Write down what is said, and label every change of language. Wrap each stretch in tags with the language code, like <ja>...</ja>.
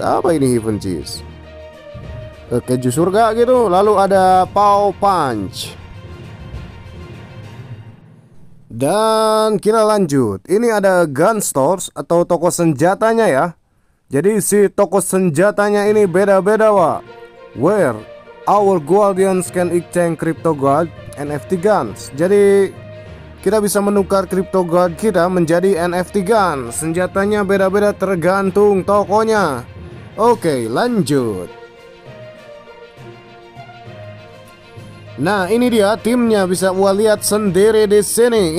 <id>Apa ini heaven cheese? Keju surga gitu. Lalu ada pow punch. Dan kita lanjut. Ini ada gun stores atau toko senjatanya ya. Jadi si toko senjatanya ini beda-beda, Wak.</id> <en>Where our guardians can exchange crypto guard NFT guns.</en> <id>Jadi kita bisa menukar crypto guard kita menjadi NFT gun. Senjatanya beda-beda tergantung tokonya. Oke, lanjut. Nah, ini dia timnya, bisa gua lihat sendiri di sini.</id>